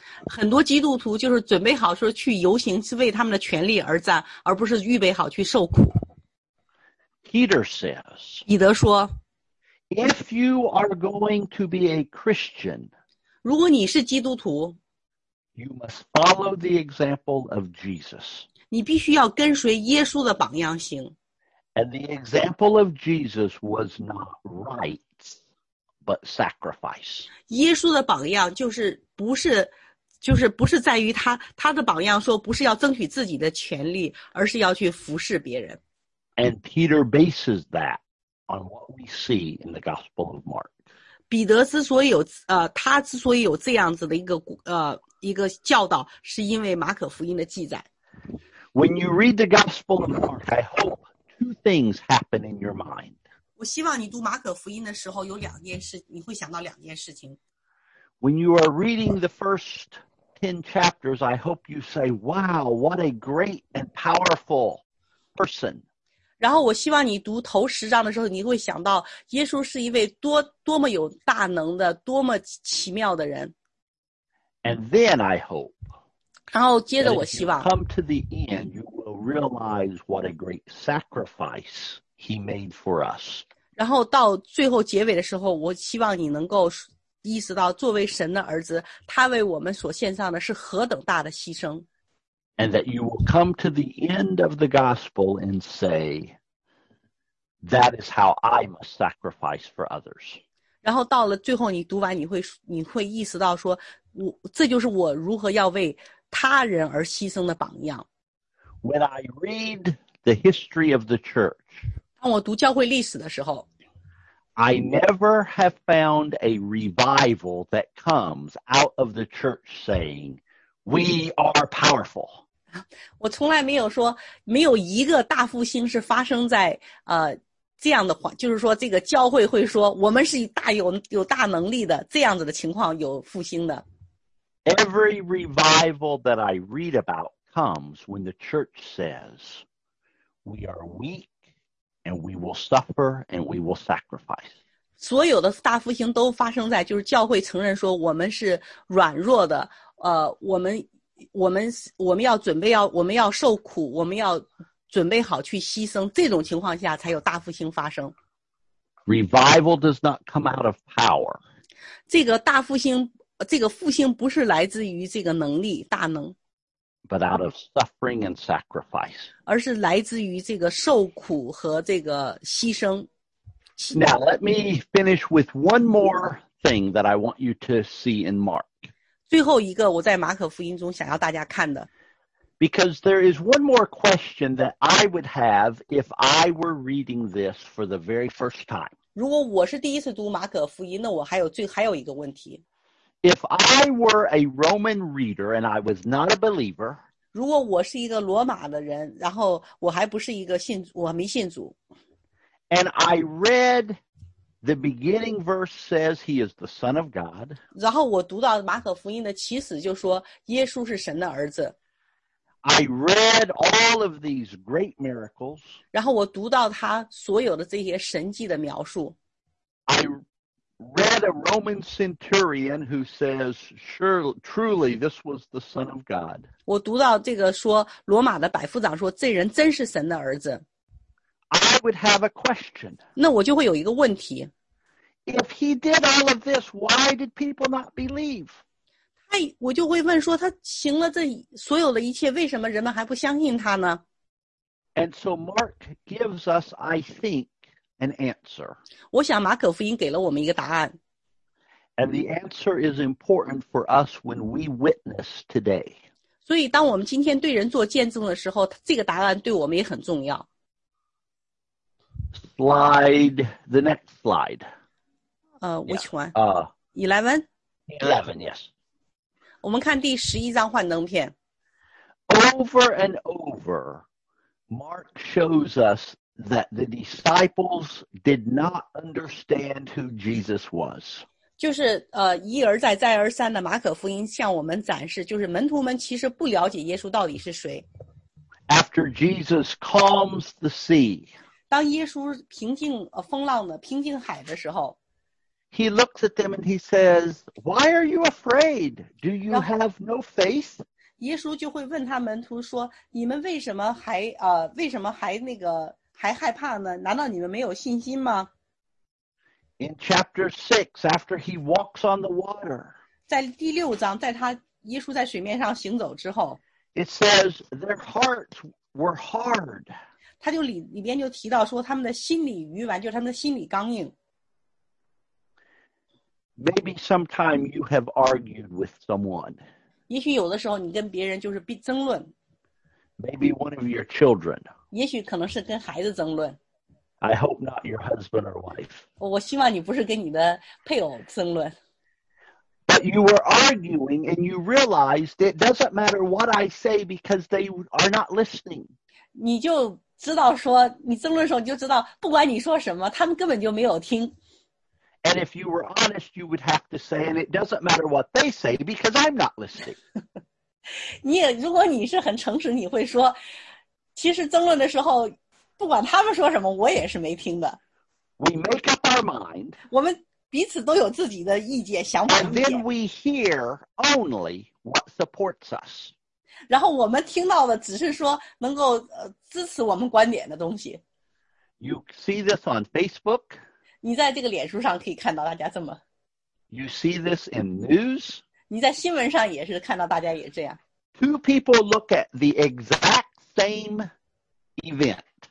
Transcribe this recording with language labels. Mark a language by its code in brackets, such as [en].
[zh] 很多基督徒就是准备好说去游行，是为他们的权利而战，而不是预备好去受苦。 [en] Peter says, [zh] 彼得说， [en] If you are going to be a Christian, [zh] 如果你是基督徒， [en] you must follow the example of Jesus. [zh] 你必须要跟随耶稣的榜样行。 [en] And the example of Jesus was not rights, but sacrifice. [zh] 耶稣的榜样就是不是在于他的榜样说不是要争取自己的权利，而是要去服侍别人。 [en] And Peter bases that on what we see in the Gospel of Mark. [zh] 彼得之所以有他之所以有这样子的一个教导，是因为马可福音的记载。 [en] When you read the Gospel of Mark, I hope two things happen in your mind. [zh] 我我希望你读马可福音的时候有两件事，你会想到两件事情。 [en] When you are reading the first 10 chapters, I hope you say, wow, what a great and powerful person. [zh] 然后我希望你读头十章的时候，你会想到耶稣是一位多么有大能的，多么奇妙的人。 [en] And then I hope. [zh] 然后接着我希望。 [en] If you come to the end, you will realize what a great sacrifice he made for us. [zh] 然后到最后结尾的时候，我希望你能够意识到作为神的儿子，他为我们所献上的是何等大的牺牲。 [en] And that you will come to the end of the gospel and say, that is how I must sacrifice for others. [zh] 然后到了最后你读完，你会意识到说，这就是我如何要为他人而牺牲的榜样。 [en] When I read the history of the church, [zh] 当我读教会历史的时候， [en] I never have found a revival that comes out of the church saying,We are powerful. [zh] 我从来没有说，没有一个大复兴是发生在这样的话，就是说这个教会会说我们是大有大能力的这样子的情况有复兴的。 [en] Every revival that I read about comes when the church says we are weak and we will suffer and we will sacrifice. [zh] 所有的大复兴都发生在就是教会承认说我们是软弱的。我们要受苦，我们要准备好去牺牲，这种情况下才有大复兴发生。 [en] Revival does not come out of power. [zh] 这个大复兴，这个复兴不是来自于这个能力，大能。 [en] But out of suffering and sacrifice. [zh] 而是来自于这个受苦和这个牺牲。 [en] Now let me finish with one more thing that I want you to see in Mark. [zh] 最后一个我在马可福音中想要大家看的。 [en] Because there is one more question that I would have if I were reading this for the very first time. [zh] 如果我是第一次读马可福音，那我还有一个问题。 [en] If I were a Roman reader and I was not a believer. [zh] 如果我是一个罗马的人，然后我还不是一个信，我没信主。 [en] And I read... The beginning verse says he is the Son of God. [zh] 然后我读到马可福音的起始就说耶稣是神的儿子。 [en] I read all of these great miracles. [zh] 然后我读到他所有的这些神迹的描述。 [en] I read a Roman centurion who says, truly this was the Son of God. [zh] 我读到这个说罗马的百夫长说这人真是神的儿子。 [en] I would have a question. [zh] 那我就会有一个问题。 [en] If he did all of this, why did people not believe? [zh] 我就会问说他行了这所有的一切，为什么人们还不相信他呢？ [en] And so Mark gives us, I think, an answer. [zh] 我想马可福音给了我们一个答案。 [en] And the answer is important for us when we witness today. [zh] 所以当我们今天对人做见证的时候，这个答案对我们也很重要。 [en] Slide, the next slide. Which one? 11? 11, yes. [zh] 我们看第11章幻灯片。 [en] Over and over, Mark shows us that the disciples did not understand who Jesus was. [zh] 就是一而再再而三的马可福音向我们展示，就是门徒们其实不了解耶稣到底是谁。 [en] After Jesus calms the sea, [zh] 当耶稣平静风浪的平静海的时候 [en] He looks at them and he says Why are you afraid? Do you have no faith? [zh] 耶稣就会问他门徒说你们为什么还为什么还那个还害怕呢难道你们没有信心吗 [en] In chapter 6 after he walks on the water [zh] 在第六章在他耶稣在水面上行走之后 [en] It says their hearts were hard [zh] 他就 里边就提到说他们的心理愚顽就是他们的心理刚硬。 [en] Maybe sometime you have argued with someone. [zh] 也许有的时候你跟别人就是争论。 [en] Maybe one of your children. [zh] 也许可能是跟孩子争论。 [en] I hope not your husband or wife. [zh] 我希望你不是跟你的配偶争论。 [en] But you were arguing and you realized it doesn't matter what I say because they are not listening. [zh] 你就知道说你争论的时候你就知道不管你说什么他们根本就没有听。 [en] And if you were honest, you would have to say, and it doesn't matter what they say, because I'm not listening. [zh] 你也如果你是很诚实，你会说，其实争论的时候，不管他们说什么，我也是没听的。 [en] We make up our mind. [zh] 我们彼此都有自己的意见、想法。 [en] And then we hear only what supports us. [zh] 然后我们听到的只是说能够支持我们观点的东西。 [en] You see this on Facebook. [zh] 你在这个脸书上可以看到大家这么。 [en] You see this in news? [zh] 你在新闻上也是看到大家也这样。 [en] Two people look at the exact same event.